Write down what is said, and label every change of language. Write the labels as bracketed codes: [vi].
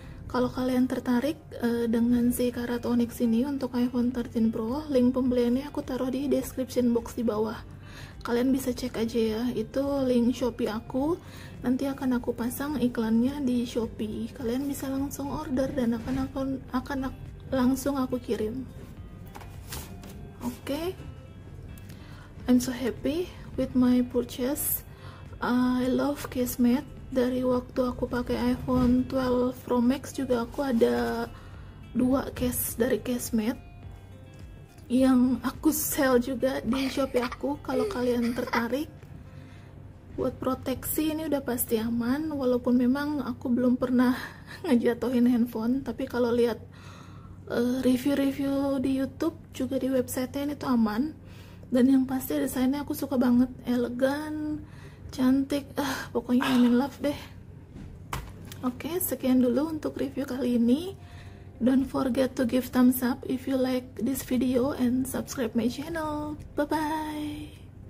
[id] Kalau kalian tertarik dengan si karat onyx ini untuk iPhone 13 Pro, link pembeliannya aku taruh di description box di bawah. Kalian bisa cek aja ya, itu link Shopee aku. Nanti akan aku pasang iklannya di Shopee. Kalian bisa langsung order dan akan langsung aku kirim. Oke. [en] I'm so happy with my purchase. I love case mat. [id] Dari waktu aku pakai iPhone 12 Pro Max juga aku ada dua case dari case mat yang aku sell juga di Shopee aku. Kalau kalian tertarik buat proteksi, ini udah pasti aman. Walaupun memang aku belum pernah ngejatohin handphone, tapi kalau lihat review-review di YouTube juga di website-nya, ini tuh aman. Dan yang pasti desainnya aku suka banget, elegan, cantik, pokoknya [en] I'm in love [id] deh. Oke, sekian dulu untuk review kali ini. [en] Don't forget to give thumbs up if you like this video and subscribe my channel. Bye-bye.